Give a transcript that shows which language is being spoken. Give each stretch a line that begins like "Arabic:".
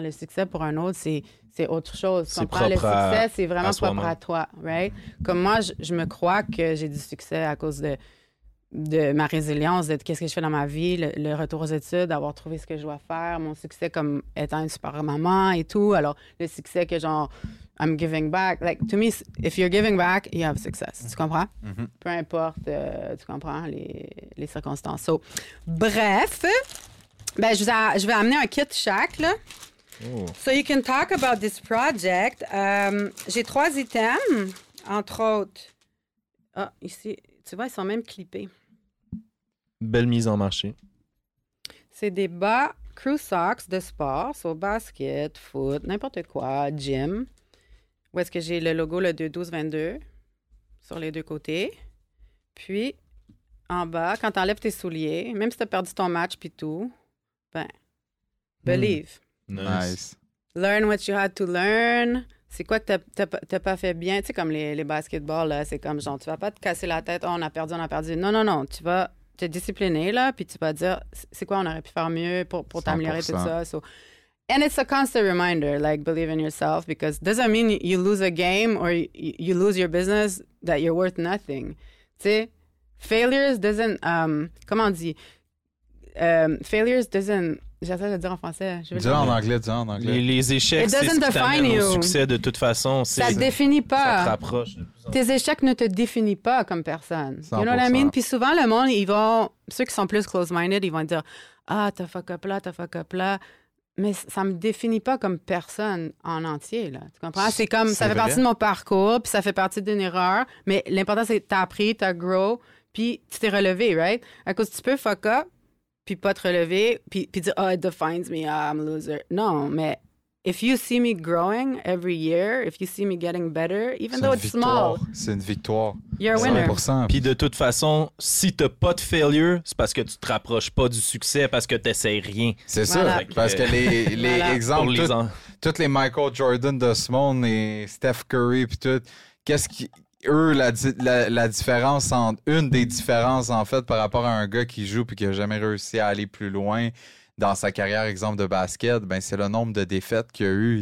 French: Le succès pour un autre, c'est autre chose. C'est propre le succès, à, c'est vraiment à propre à toi, right? Comme moi, je me crois que j'ai du succès à cause de ma résilience, de qu'est-ce que je fais dans ma vie, le retour aux études, d'avoir trouvé ce que je dois faire, mon succès comme étant une super maman et tout. Alors, le succès que genre,
English: I'm giving back. Like, to me, if you're giving back, you have success.
French: Tu comprends? Mm-hmm. Peu importe, tu comprends les circonstances. So, bref, ben, je vais amener un kit chaque, là. Ooh.
English: So you can talk about this project.
French: J'ai trois items, entre autres. Ah, oh, ici, tu vois, ils sont même clippés. Belle mise en marché. C'est des bas crew socks de sport, so basket, foot, n'importe quoi, gym. Où est-ce que j'ai le logo, le 212-22, sur les deux côtés. Puis, en bas, quand t'enlèves tes souliers, même si t'as perdu ton match puis tout, ben, believe. Mm.
English: Nice. Learn what you had to learn.
French: C'est quoi que t'as pas fait bien? Tu sais, comme les basketballs, là, c'est comme genre, tu vas pas te casser la tête, oh, on a perdu. Non. Tu vas te discipliner, là, puis tu vas dire, c'est quoi, on aurait pu faire mieux pour t'améliorer, tout ça.
English: So, and it's a constant reminder, like, believe in yourself, because doesn't mean you lose a game or you lose your business that you're worth nothing.
French: Tu sais,
English: failures doesn't,
French: comment on dit?
English: Failures doesn't.
French: J'essaie de le dire en français. Dis-le en anglais. Les échecs, c'est ce qui t'amène au succès de toute façon. Ça te définit pas. Ça te rapproche. Tes échecs ne te définissent pas comme personne. 100%.
English: You know what I mean?
French: Puis souvent, le monde, ils vont... Ceux qui sont plus close-minded, ils vont dire « Ah, t'as fuck up là. » Mais ça me définit pas comme personne en entier, là. Tu comprends? C'est comme... C'est ça fait vrai? Partie de mon parcours, puis ça fait partie d'une erreur. Mais l'important, c'est que t'as appris, t'as grow, puis tu t'es relevé, right? À cause tu peux fuck up, puis pas te relever, puis dire «
English: Oh, it defines me, oh, I'm a loser ».
French: Non, mais
English: if you see me growing every year, if you see me getting better, even though it's small...
French: C'est une victoire.
English: You're a winner.
French: Puis de toute façon, si t'as pas de failure, c'est parce que tu te rapproches pas du succès, parce que t'essayes rien. C'est voilà. Ça, parce que les voilà. Exemples, tous les Michael Jordan de ce monde, et Steph Curry, puis tout, qu'est-ce qui... Eux, la différence entre une des différences en fait par rapport à un gars qui joue puis qui a jamais réussi à aller plus loin dans sa carrière, exemple de basket, ben c'est le nombre de défaites qu'il y a eu.